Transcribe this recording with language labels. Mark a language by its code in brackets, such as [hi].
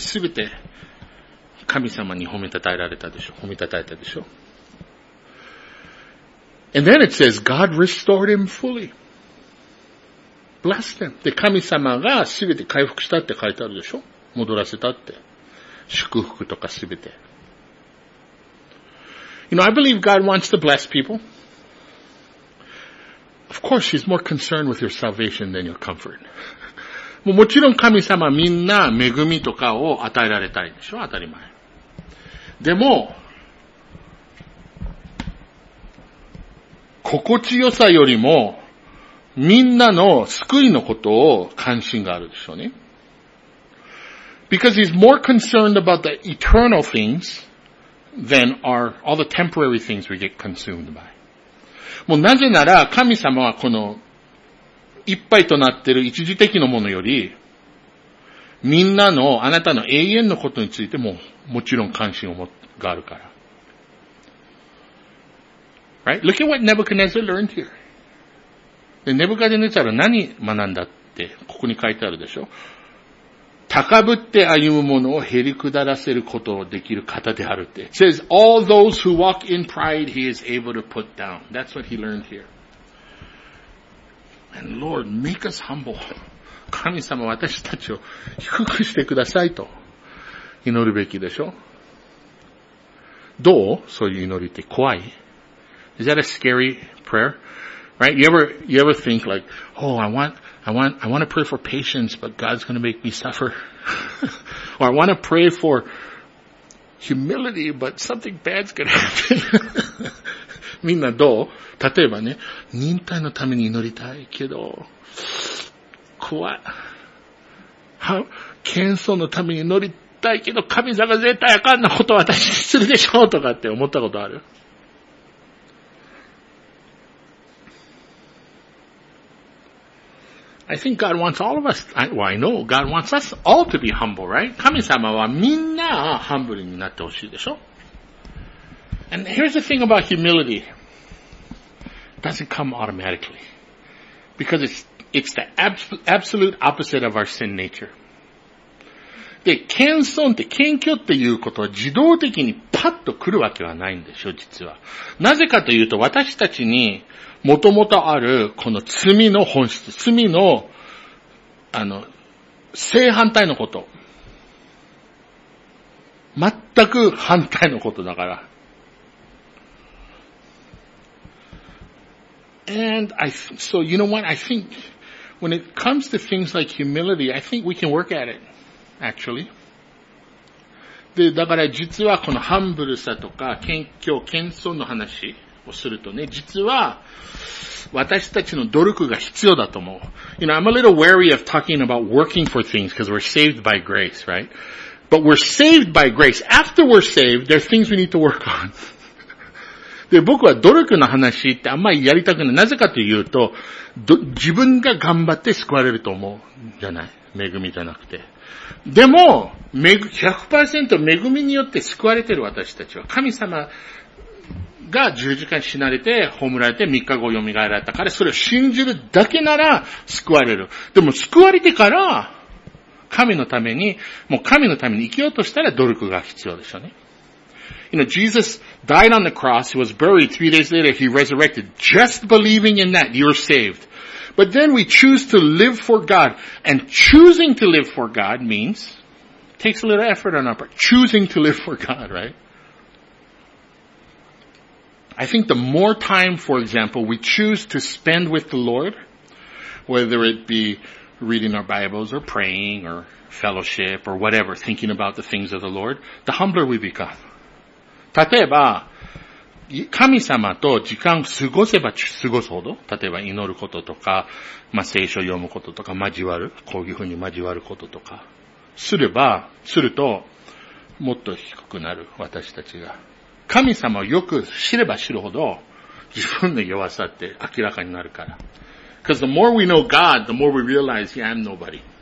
[ja] すべて神様に褒めたたえられたでしょ。褒めたたえたでしょ。 [en] And then it says, God restored him fully. Blessed him. [ja] で、神様がすべて回復したって書いてあるでしょ？戻らせたって。祝福とかすべて。 [en] You know, I believe God wants to bless people. Of course, he's more concerned with your salvation than your comfort. [ja] もちろん神様みんな恵みとかを与えられたいでしょ？当たり前。でも、心地よさよりも、みんなの救いのことを関心があるでしょうね。 [en] Because he's more concerned about the eternal things than our, all the temporary things we get consumed by. [ja] もうなぜなら、神様はこの、いっぱいとなっている一時的のものより、みんなの、あなたの永遠のことについても、もちろん関心があるから。 [en] Right? Look at what Nebuchadnezzar learned here. [ja] で、ネブカデネツァルは何学んだって、ここに書いてあるでしょ。高ぶって歩む者を減り下らせることをできる方であるって。 [en] It says, all those who walk in pride he is able to put down. That's what he learned here. And Lord, make us humble. [ja] 神様私たちを低くしてくださいと祈るべきでしょ。どう？そういう祈りって怖い？ [en] Is that a scary prayer? Right? You ever think like, oh, I want to pray for patience, but God's going to make me suffer. Or I want to pray for humility, but something bad's going to happen. [ja] みんなどう？例えばね、忍耐のために祈りたいけど、怖い。 [en] How? [ja] 謙遜のために祈りたいけど、神様絶対あかんなことを私にするでしょうとかって思ったことある？ [en] I think God wants all of us, I know God wants us all to be humble, right? [ja] 神様はみんなハンブルになってほしいでしょ? [en] And here's the thing about humility. It doesn't come automatically. Because it's the absolute opposite of our sin nature. [ja] で、謙遜って謙虚っていうことは自動的にパッと来るわけはないんでしょ、実は。なぜかというと、私たちに元々あるこの罪の本質、罪の、正反対のこと。全く反対のことだから。 [en] And so you know what? I think when it comes to things like humility, I think we can work at it, actually. [ja] で、だから実はこのハンブルさとか謙虚、謙遜の話をするとね、実は私たちの努力が必要だと思う。 [en] You know, I'm a little wary of talking about working for things because we're saved by grace, right? But we're saved by grace. After we're saved, there are things we need to work on. [ja] で、僕は努力の話ってあんまりやりたくない。なぜかというと、自分が頑張って救われると思うじゃない。恵みじゃなくて。でも、100% 恵みによって救われてる私たちは、神様が十字架に死なれて、葬られて、三日後蘇られた。彼、それを信じるだけなら救われる。でも、救われてから、神のために、もう神のために生きようとしたら努力が必要でしょうね。 [en] You know, Jesus died on the cross, he was buried, 3 days later he resurrected. Just believing in that, you're saved. But then we choose to live for God. And choosing to live for God means, takes a little effort on our part. Choosing to live for God, right? I think the more time, for example, we choose to spend with the Lord, whether it be reading our Bibles or praying or fellowship or whatever, thinking about the things of the Lord, the humbler we become. [ja] 例えば、神様と時間を過ごせば過ごすほど、例えば祈ることとか、まあ、聖書を読むこととか、交わる、こういうふうに交わることとか、すれば、すると、もっと低くなる、私たちが。神様をよく知れば知るほど、自分の弱さって明らかになるから。 [en] Because the more we know God, the more we realize, yeah, I'm nobody.